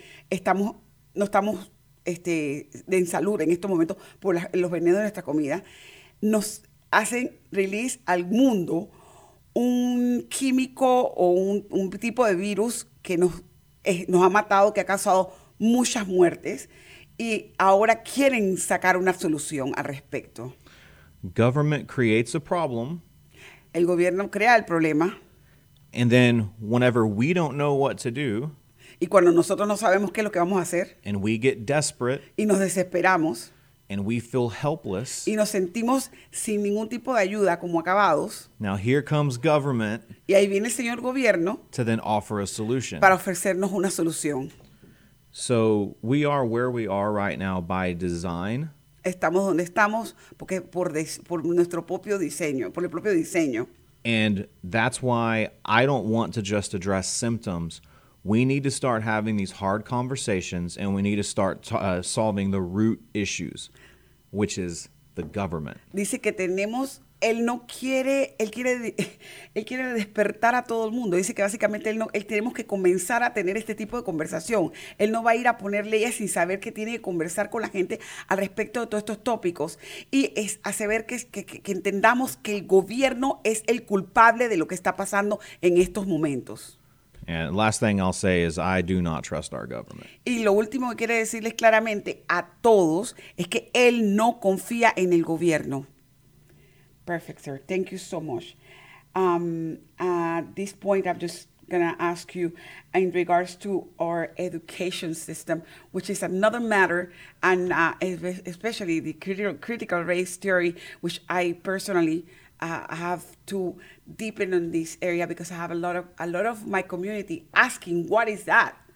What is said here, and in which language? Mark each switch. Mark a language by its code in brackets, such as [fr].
[es] estamos en salud en estos momentos por los venenos de nuestra comida, nos hacen [en] release [es] al mundo un químico o un tipo de virus que nos ha matado, que ha causado muchas muertes y ahora quieren sacar una solución al respecto. [en] Government creates a problem. [es] El gobierno crea el problema. [en] And then whenever we don't know what to do, [es] y cuando nosotros no sabemos qué es lo que vamos a hacer, [en] and we get desperate, [es] y nos desesperamos, [en] and we feel helpless, [es] y nos sentimos sin ningún tipo de ayuda, como acabados, [en] now here comes government, [es] y ahí viene el señor gobierno, [en] to then offer a solution. [es] Para ofrecernos una solución. [en] So we are where we are right now by design. [es] Estamos donde estamos porque por nuestro propio diseño, por el propio diseño. [en] And that's why I don't want to just address symptoms. We need to start having these hard conversations and we need to start solving the root issues, which is the government. [es] Dice que tenemos, él quiere despertar a todo el mundo. Dice que básicamente él tenemos que comenzar a tener este tipo de conversación. Él no va a ir a poner leyes sin saber que tiene que conversar con la gente al respecto de todos estos tópicos. Y es hacer ver que entendamos que el gobierno es el culpable de lo que está pasando en estos momentos. [en] And last thing I'll say is I do not trust our government. [es] Y lo último que quiere decirles claramente a todos es que él no confía en el gobierno. [en] Perfect, sir. Thank you so much. At this point, I'm just going to ask you in regards to our education system, which is another matter, and especially the critical race theory, which I personally have to deepen on this area because I have a lot of my community asking, what is that?